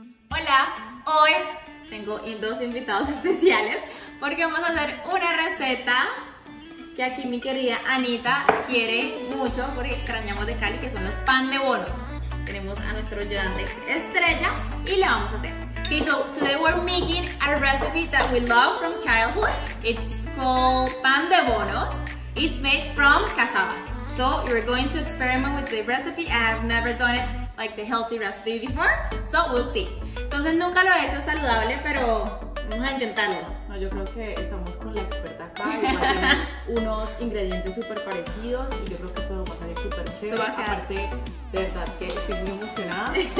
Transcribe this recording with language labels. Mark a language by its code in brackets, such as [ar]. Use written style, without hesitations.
[es] Hola, hoy tengo dos invitados especiales porque vamos a hacer una receta que aquí mi querida Anita quiere mucho porque extrañamos de Cali, que son los pan de bonos. Tenemos a nuestro ayudante estrella y le vamos a hacer. [en] Okay, so today we're making a recipe that we love from childhood. It's called pan de bonos. It's made from cassava. So you're going to experiment with the recipe. I have never done it like the healthy recipe before, so we'll see. [es] Entonces nunca lo he hecho saludable, pero vamos a intentarlo. No, yo creo que estamos con la experta acá, unos ingredientes súper parecidos y yo creo que eso va a salir súper chévere. Aparte, de verdad que estoy muy emocionada.